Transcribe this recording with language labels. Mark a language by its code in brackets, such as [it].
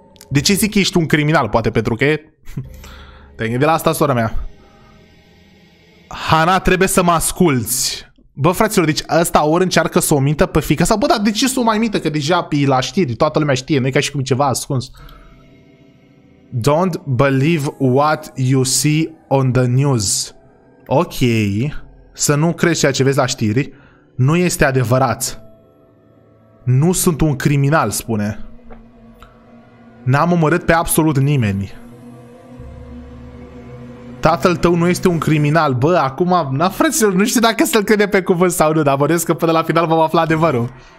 [ro] De ce zic că ești un criminal? Poate pentru că e... De la asta, sora mea. Hana, trebuie să mă asculți. Bă, fraților, deci ăsta ori încearcă să o mintă pe fiica sa. Bă, dar de ce să o mai mintă? Că deja e la știri, toată lumea știe. Nu e ca și cum ceva ascuns. [en] Don't believe what you see on the news. Ok. [ro] Să nu crezi ceea ce vezi la știri. Nu este adevărat. Nu sunt un criminal, spune. N-am omorât pe absolut nimeni. Tatăl tău nu este un criminal. Bă, acum, na, fraților, nu știu dacă să-l crede pe cuvânt sau nu, dar vorbesc că până la final vom afla adevărul.